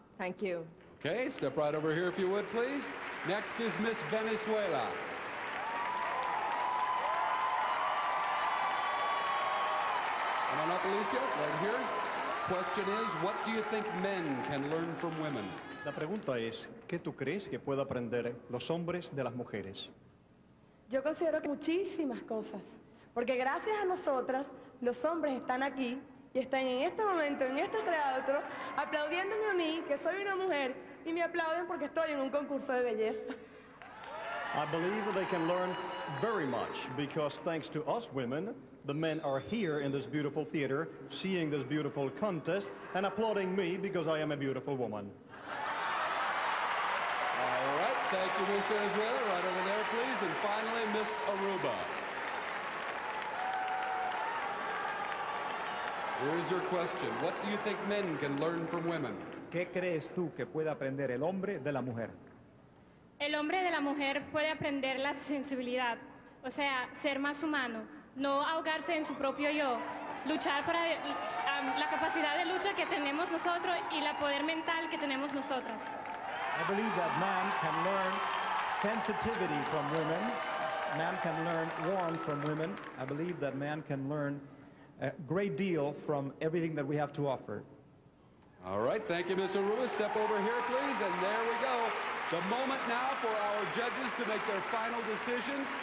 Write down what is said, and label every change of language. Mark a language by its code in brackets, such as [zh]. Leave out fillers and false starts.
[en] Thank you. Okay, step right over here if you would, please. Next is Miss Venezuela. Come on up, Alicia, right here. Question is, what do you think men can learn from women? [es] La pregunta es, ¿qué tú crees que puede aprender los hombres de las mujeres? Yo considero que muchísimas cosas, porque gracias a nosotras, los hombres están aquí y están en este momento, en este teatro, aplaudiéndome a mí, que soy una mujer, y me aplauden porque estoy en un concurso de belleza. [en] I believe they can learn very much, because thanks to us women, the men are here in this beautiful theater, seeing this beautiful contest, and applauding me because I am a beautiful woman. Thank you, Ms. Venezuela. Right over there, please. And finally, Ms. Aruba. Here is your question. What do you think men can learn from women? [es] ¿Qué crees tú que puede aprender el hombre de la mujer? El hombre de la mujer puede aprender la sensibilidad, o sea, ser más humano, no ahogarse en su propio yo, luchar para la capacidad de lucha que tenemos nosotros y la poder mental que tenemos nosotras. [en] I believe that man can learn sensitivity from women. Man can learn warmth from women. I believe that man can learn a great deal from everything that we have to offer. All right, thank you, Ms. Aruba. Step over here, please, and there we go. The moment now for our judges to make their final decision.